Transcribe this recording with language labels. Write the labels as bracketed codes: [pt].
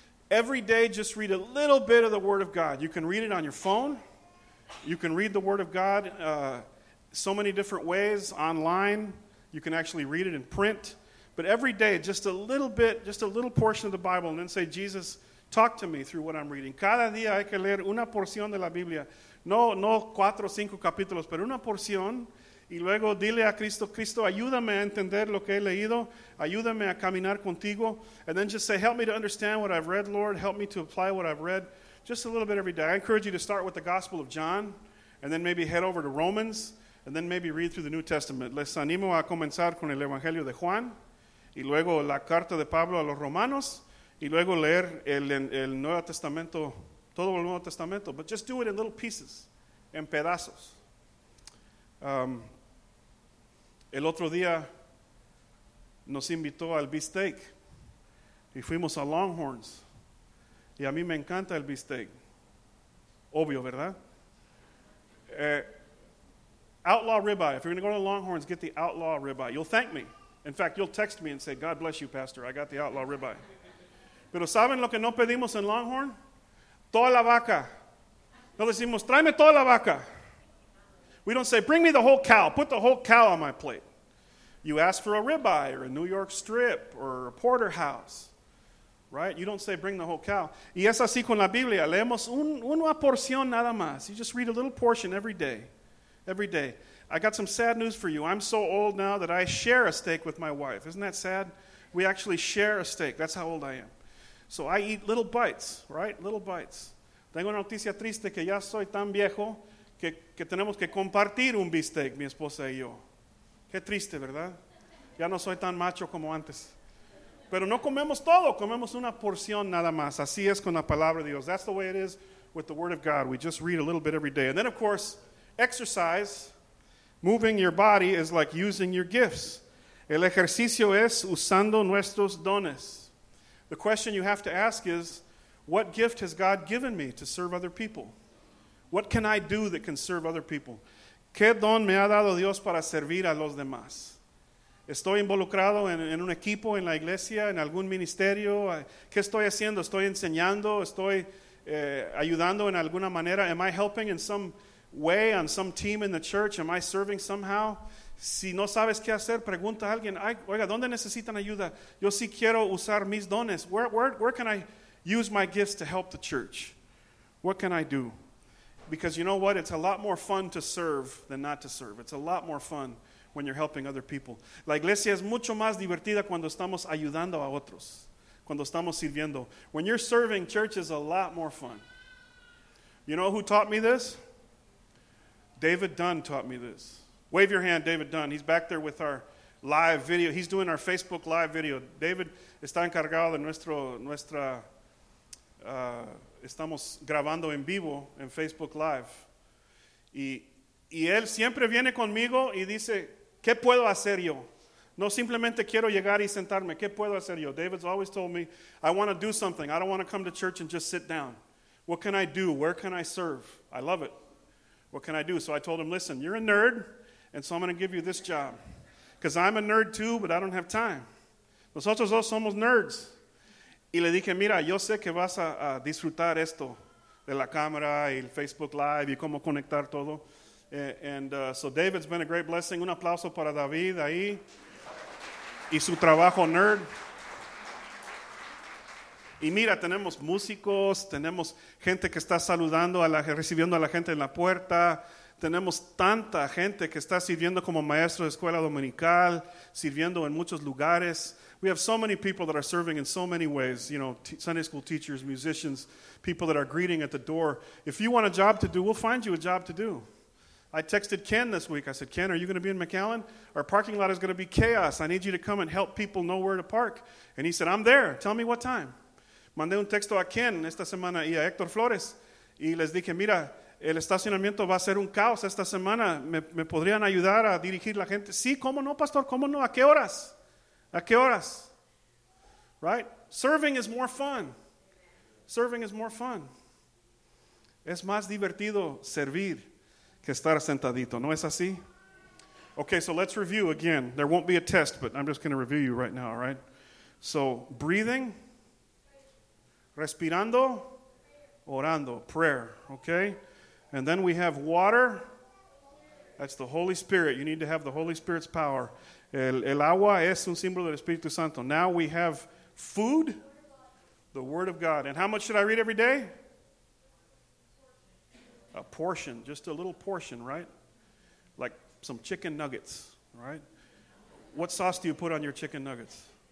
[en] Every day, just read a little bit of the Word of God. You can read it on your phone. You can read the Word of God so many different ways, online. You can actually read it in print. But every day, just a little bit, just a little portion of the Bible, and then say, Jesus, talk to me through what I'm reading. [es] Cada día hay que leer una porción de la Biblia. No cuatro o cinco capítulos, pero una porción. Y luego dile a Cristo, Cristo, ayúdame a entender lo que he leído. Ayúdame a caminar contigo. [en] And then just say, help me to understand what I've read, Lord. Help me to apply what I've read. Just a little bit every day. I encourage you to start with the Gospel of John. And then maybe head over to Romans. And then maybe read through the New Testament. [es] Les animo a comenzar con el Evangelio de Juan. Y luego la Carta de Pablo a los Romanos. Y luego leer el Nuevo Testamento, todo el Nuevo Testamento. [en] But just do it in little pieces, [es] en pedazos. El otro día nos invitó al bistec y fuimos a Longhorns y a mí me encanta el bistec, obvio, ¿verdad? [en] Outlaw ribeye. If you're going to go to Longhorns, get the outlaw ribeye. You'll thank me. In fact, you'll text me and say, God bless you, pastor, I got the outlaw ribeye. [es] Pero ¿saben lo que no pedimos en Longhorn? Toda la vaca. No decimos, tráeme toda la vaca. [en] We don't say, bring me the whole cow. Put the whole cow on my plate. You ask for a ribeye or a New York strip or a porterhouse. Right? You don't say, bring the whole cow. [es] Y es así con la Biblia. Leemos una porción nada más. [en] You just read a little portion every day. Every day. I got some sad news for you. I'm so old now that I share a steak with my wife. Isn't that sad? We actually share a steak. That's how old I am. So I eat little bites, right? Little bites. [es] Tengo una noticia triste que ya soy tan viejo que tenemos que compartir un bistec, mi esposa y yo. Qué triste, ¿verdad? Ya no soy tan macho como antes. Pero no comemos todo, comemos una porción nada más. Así es con la palabra de Dios. [en] That's the way it is with the Word of God. We just read a little bit every day. And then, of course, exercise, moving your body, is like using your gifts. [es] El ejercicio es usando nuestros dones. [en] The question you have to ask is, what gift has God given me to serve other people? What can I do that can serve other people? [es] ¿Qué don me ha dado Dios para servir a los demás? ¿Estoy involucrado en un equipo, en la iglesia, en algún ministerio? ¿Qué estoy haciendo? ¿Estoy enseñando? ¿Estoy ayudando en alguna manera? [en] ¿Am I helping in some way on some team in the church? ¿Am I serving somehow? [es] Si no sabes qué hacer, pregunta a alguien, oiga, ¿dónde necesitan ayuda? Yo sí quiero usar mis dones. [en] Where can I use my gifts to help the church? What can I do? Because you know what? It's a lot more fun to serve than not to serve. It's a lot more fun when you're helping other people. [es] La iglesia es mucho más divertida cuando estamos ayudando a otros, cuando estamos sirviendo. [en] When you're serving, church is a lot more fun. You know who taught me this? David Dunn taught me this. Wave your hand, David Dunn. He's back there with our live video. He's doing our Facebook live video. [es] David está encargado de estamos grabando en vivo en Facebook Live. Y él siempre viene conmigo y dice, ¿qué puedo hacer yo? No simplemente quiero llegar y sentarme. ¿Qué puedo hacer yo? [en] David's always told me, I want to do something. I don't want to come to church and just sit down. What can I do? Where can I serve? I love it. What can I do? So I told him, listen, you're a nerd. And so I'm going to give you this job. Because I'm a nerd too, but I don't have time. [es] Nosotros dos somos nerds. Y le dije, mira, yo sé que vas a disfrutar esto de la cámara y el Facebook Live y cómo conectar todo. [en] So David's been a great blessing. [es] Un aplauso para David ahí y su trabajo nerd. Y mira, tenemos músicos, tenemos gente que está saludando, recibiendo a la gente en la puerta. tenemos tanta gente que está sirviendo como maestro de escuela dominical, sirviendo en muchos lugares. [en] We have so many people that are serving in so many ways, you know, Sunday school teachers, musicians, people that are greeting at the door. If you want a job to do, we'll find you a job to do. I texted Ken this week. I said, Ken, are you going to be in McAllen? Our parking lot is going to be chaos. I need you to come and help people know where to park. And he said, I'm there. Tell me what time. [es] Mandé un texto a Ken esta semana y a Héctor Flores. Y les dije, mira, el estacionamiento va a ser un caos esta semana. ¿Me podrían ayudar a dirigir la gente? Sí, ¿cómo no, pastor? ¿Cómo no? ¿A qué horas? ¿A qué horas? Right? [en] Serving is more fun. Serving is more fun. [es] Es más divertido servir que estar sentadito. ¿No es así? [en] Okay, so let's review again. There won't be a test, but I'm just going to review you right now, all right? So, breathing, [es] respirando, orando, [en] prayer, okay? And then we have water. That's the Holy Spirit. You need to have the Holy Spirit's power. [es] El agua es un símbolo del Espíritu Santo. [en] Now we have food, the Word of God. And how much should I read every day? A portion, just a little portion, right? Like some chicken nuggets, right? What sauce do you put on your chicken nuggets?